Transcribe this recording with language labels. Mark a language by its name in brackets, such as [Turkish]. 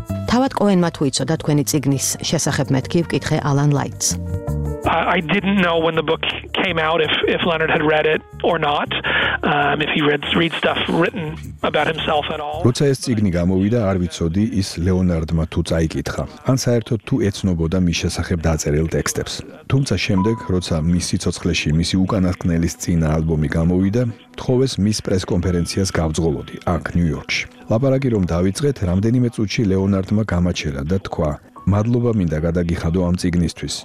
[Georgian] თავად კოენმა თუ იცოდა თქვენი წიგნის შესახებ მეთქი, ვკითხე ალან ლაიტს. [English] I didn't know when the book came out if Leonard had read it or not. If he read stuff written about himself at all. [Georgian] როცა ეს წიგნი გამოვიდა, არ ვიცოდი ის ლეონარდმა თუ წაიკითხა. ან საერთოდ თუ ეცნობოდა მის შესახებ დაწერილ ტექსტებს. თუმცა შემდეგ, როცა მის სიცოცხლეში მისი უკანასკნელის წინა ალბომი გამოვიდა, თხოვეს მის პრეს კონფერენციას გავძღოლოდი აქ ნიუ-იორკში. ლაპარაკი რომ დავიწყეთ, რამდენიმე წუთში ლეონარდმა გამაჩერა და თქვა: მადლობა მინდა გადაგიხადო ამ წიგნისთვის.